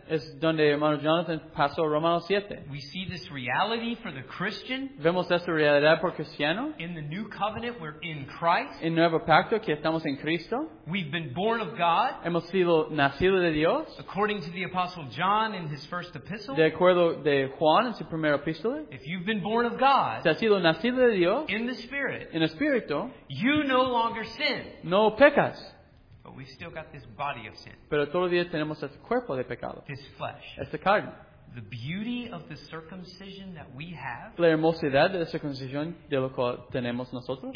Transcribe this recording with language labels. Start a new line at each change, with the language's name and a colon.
Spanish: Es donde hermano Jonathan pasó Romanos 7.
English: We see this reality for the Christian.
Spanish: Vemos esta realidad por cristiano.
English: In the new covenant, we're in Christ.
Spanish: En nuevo pacto, que estamos en Cristo.
English: We've been born of God.
Spanish: Hemos sido nacido de Dios.
English: According to the Apostle John in his first epistle.
Spanish: De acuerdo de Juan en su primera epístola.
English: If you've been born of God.
Spanish: Si has sido nacido de Dios.
English: In the Spirit.
Spanish: En espíritu.
English: You no longer sin.
Spanish: No pecas.
English: But we've still got this body of sin.
Spanish: Pero todavía tenemos este cuerpo de pecado.
English: This flesh.
Spanish: Esta carne.
English: The beauty of the circumcision that we have.
Spanish: La hermosidad de la circuncisión de lo cual tenemos nosotros.